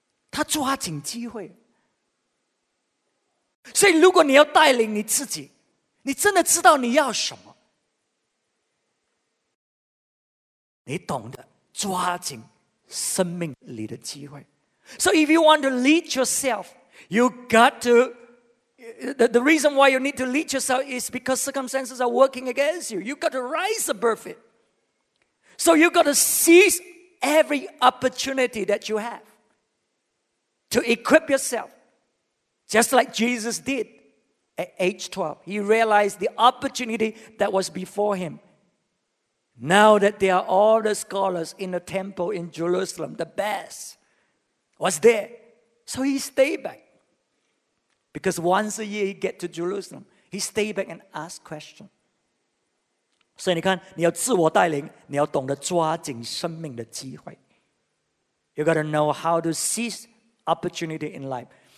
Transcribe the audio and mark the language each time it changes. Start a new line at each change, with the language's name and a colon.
Chinese: 他抓紧机会。所以如果你要带领你自己，你真的知道你要什么，你懂得抓紧生命里的机会。
English: So if you want to lead yourself, you got to the reason why you need to lead yourself is because circumstances are working against you. You got to rise above it. So you got to seize every opportunity that you have to equip yourself, just like Jesus did at age 12. He realized the opportunity that was before him, Now that there are all the scholars in the temple in Jerusalem, the best was there. So he stayed back. Because once a year he get to Jerusalem, he stayed back and asked questions.
Chinese: 所以你看,你要自我带领,你要懂得抓紧生命的机会.
English: You got to know how to seize opportunity in life.